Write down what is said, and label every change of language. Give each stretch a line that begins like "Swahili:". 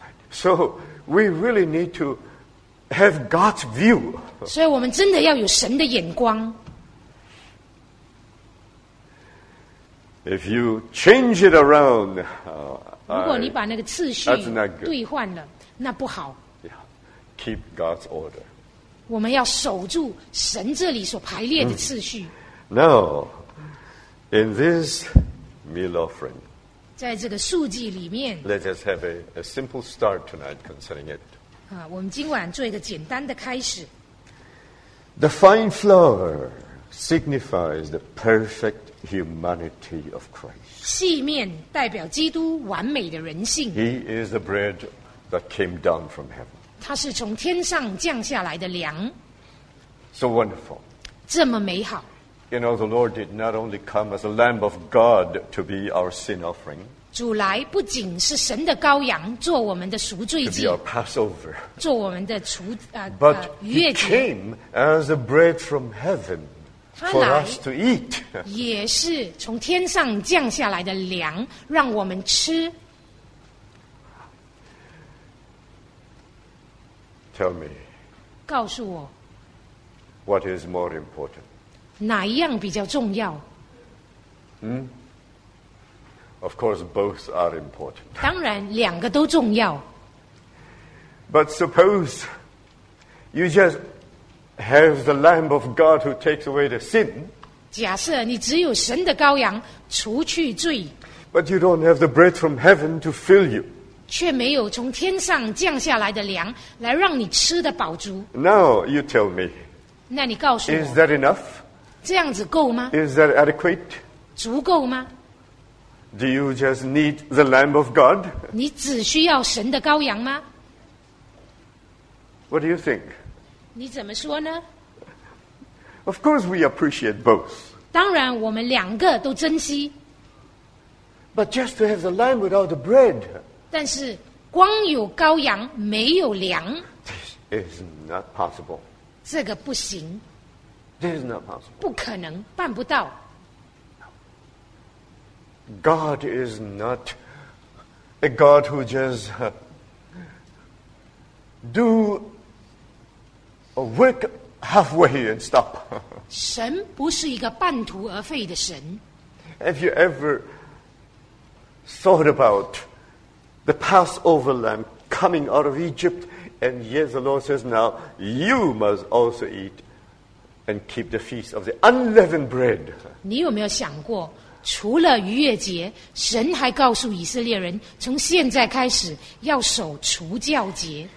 English: So we really need to have God's view.
Chinese: 所以我们真的要有神的眼光。
English: If you change it around,
Chinese: 如果你把那个次序兑换了，那不好。
English: Yeah, keep God's order.
Chinese: 我们要守住神这里所排列的次序。
English: Now, in this meal offering.
Chinese: 在这个数据里面
English: Let us have a simple start tonight concerning it.
Chinese: 我们今晚做一个简单的开始。
English: The fine flour signifies the perfect humanity of Christ.
Chinese: 细面代表基督完美的人性。
English: He is the bread that came down from heaven.
Chinese: 他是从天上降下来的粮。
English: So wonderful.
Chinese: 这么美好。
English: You know, the Lord did not only come as a Lamb of God to be our sin offering.
Chinese: 主来不仅是神的羔羊做我们的赎罪祭
English: To be our Passover.
Chinese: 做我们的赎
English: But he came as a bread from heaven for us to eat.
Chinese: 也是从天上降下来的粮让我们吃
English: Tell me.
Chinese: 告诉我
English: What is more important?
Chinese: 哪一样比较重要？
English: Of course, both are important.
Chinese: 当然，两个都重要。
English: But suppose you just have the Lamb of God who takes away the sin.
Chinese: 假设你只有神的羔羊除去罪。
English: But you don't have the bread from heaven to fill you.
Chinese: 却没有从天上降下来的粮来让你吃得饱足。
English: Now you tell me.
Chinese: 那你告诉我。
English: Is that enough?
Chinese: 这样子够吗
English: Is that adequate?
Chinese: 足够吗
English: Do you just need the Lamb of God?
Chinese: 你只需要神的羔羊吗
English: What do you think?
Chinese: 你怎么说呢
English: Of course we appreciate both.
Chinese: 当然我们两个都珍惜
English: But just to have the Lamb without the bread.
Chinese: 但是光有羔羊没有粮
English: This is not possible.
Chinese: 这个不行
English: This is not possible.
Chinese: 不可能，办不到。
English: God is not a God who just do a work halfway and stop.
Chinese: 神不是一个半途而废的神。
English: Have you ever thought about the Passover lamb coming out of Egypt? And yet the Lord says, now you must also eat. And keep the feast of the unleavened bread.
Chinese: 你有没有想过，除了逾越节，神还告诉以色列人，从现在开始要守除酵节。